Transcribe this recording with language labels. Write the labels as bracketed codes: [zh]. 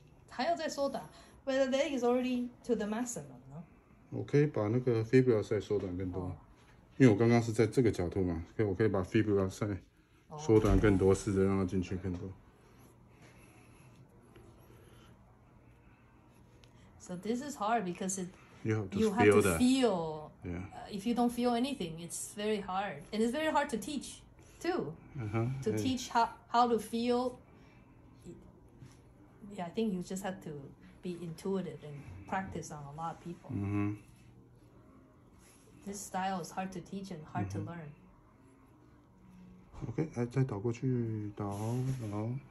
[zh] 还要再缩短 [en] ？But that is already to the maximum, no? [zh] 我可以把那个 fibula 再缩短更多。 [en] Oh. [zh] 因为我刚刚是在这个角度嘛，所以我可以把 fibula 再缩短更多，试着让它进去更多。 [en] So this is hard because it you have to feel. Yeah. If you don't feel anything, it's very hard, and it's very hard to teach too. To teach how to feel. Yeah, I think you just have to be intuitive and practice on a lot of people. Mm-hmm. This style is hard to teach and hard to learn. [zh] Okay, 哎，再倒过去，倒，好。